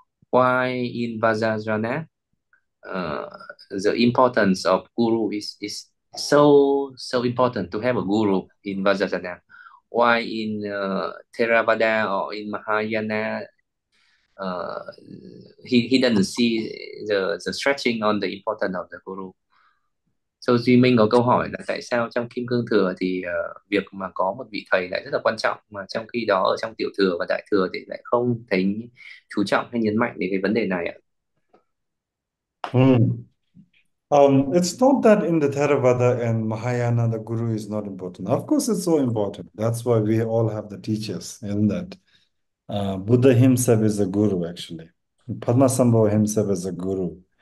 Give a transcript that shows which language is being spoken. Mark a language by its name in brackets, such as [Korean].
[English] Why in Vajrayana, the importance of guru is so important to have a guru in Vajrayana? Why in Theravada or in Mahayana, he doesn't see the stretching on the importance of the guru? [Vietnamese] So Duy Minh có câu hỏi là tại sao trong Kim Cương Thừa thì việc mà có một vị thầy lại rất là quan trọng, mà trong khi đó ở trong Tiểu Thừa và Đại Thừa thì lại không thấy chú trọng hay nhấn mạnh đến cái vấn đề này ạ? [English] It's not that in the Theravada and Mahayana the guru is not important. Of course, it's so important. That's why we all have the teachers in that. Buddha himself is a guru, actually. Padmasambhava himself is a guru.